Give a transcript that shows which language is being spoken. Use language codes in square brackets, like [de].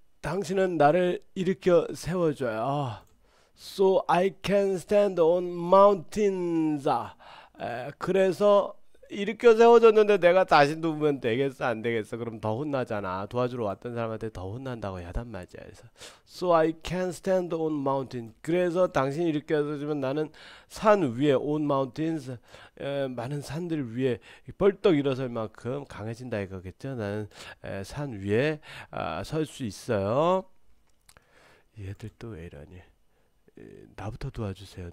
[ko] 당신은 나를 일으켜 세워줘요. [en] So I can stand on mountains. [ko] 그래서 일으켜 세워줬는데 내가 다시 누우면 되겠어 안 되겠어? 그럼 더 혼나잖아. 도와주러 왔던 사람한테 더 혼난다고 야단 맞아. [en] 그래서 So I can stand on mountain. [ko] 그래서 당신이 일으켜 세워주면 나는 산 위에 [en] on mountains [ko] 많은 산들 위에 벌떡 일어설 만큼 강해진다 이거겠죠? 나는 산 위에 설수 있어요. 얘들 또왜 이러니? 나부터 도와주세요.